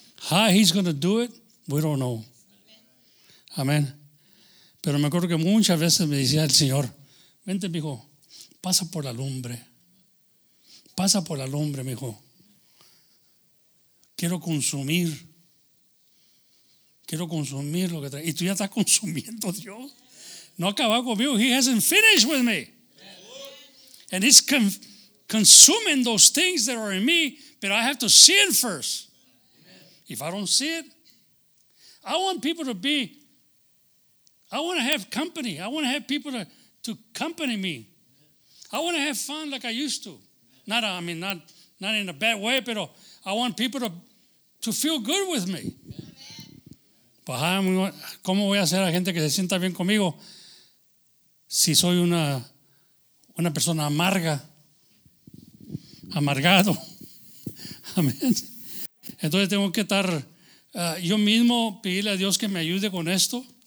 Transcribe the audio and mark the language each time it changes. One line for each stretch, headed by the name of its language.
English: How he's going to do it, we don't know.
Spanish: Amén. Pero me acuerdo que muchas veces me decía el Señor, vente, mijo, pasa por la lumbre. Pasa por la lumbre, mijo. Quiero consumir lo que trae. Y tú ya estás consumiendo, Dios. No ha acabado conmigo.
English: He hasn't finished with me. And he's consuming those things that are in me, but I have to see it first. If I don't see it, I want people to be, I want to have company. I want to have people to accompany me. I want to have fun like I used to. Not in a bad way, pero I want people to feel good with me.
Spanish: ¿Cómo voy a hacer a gente que se sienta bien conmigo si soy una persona amarga? Amargado. Amén. Entonces tengo que estar yo mismo, pedirle a Dios que me ayude con esto.